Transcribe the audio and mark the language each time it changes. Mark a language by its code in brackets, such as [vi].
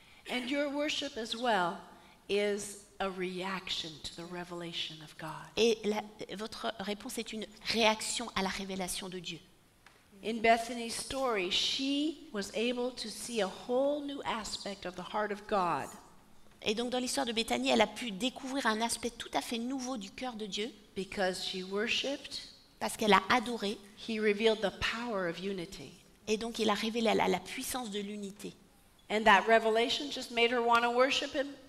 [en] And your worship as well is a reaction to the revelation of God. [fr] Et votre réponse est une réaction à la révélation de Dieu. [en] In Bethany's story, she was able to see a whole new aspect of the heart of God. [fr] Et donc dans l'histoire de Bethany, elle a pu découvrir un aspect tout à fait nouveau du cœur de Dieu. [en] Because she worshiped, [fr] parce qu'elle a adoré. [en] He revealed the power of unity. [fr] Et donc il a révélé à la puissance de l'unité. [en] And that revelation just made her want to worship him.